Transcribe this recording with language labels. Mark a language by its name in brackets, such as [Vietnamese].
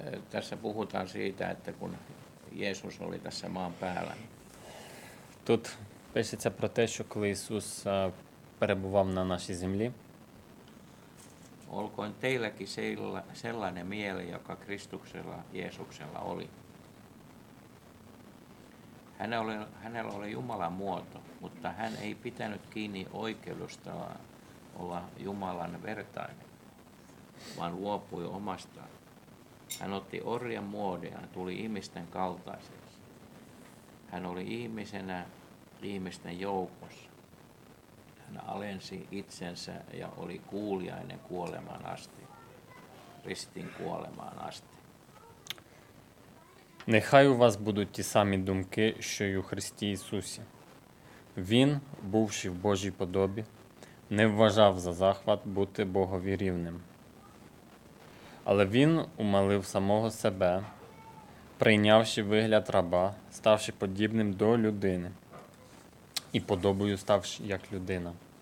[Finnish] Tässä puhutaan siitä, että kun Jeesus oli tässä maan päällä. [Ukrainian] Тут пишеться про те, що коли Ісус перебував на нашій землі. [Finnish] Olkoon teilläkin sellainen mieli, joka Kristuksella Jeesuksella oli. Hänellä oli Jumalan muoto, mutta hän ei pitänyt kiinni oikeudesta olla Jumalan vertainen, vaan luopui omastaan. Hän otti orjan muodon, tuli ihmisten kaltaiseksi. Hän oli ihmisenä ihmisten joukossa. Hän alensi itsensä ja oli kuulijainen kuolemaan asti, ristin kuolemaan asti. [Ukrainian] Нехай у вас будуть ті самі думки, що й у Христі Ісусі. Він, бувши в Божій подобі, не вважав за захват бути Богові рівним. Але він умалив самого себе, прийнявши вигляд раба, ставши подібним до людини і подобою ставши як людина.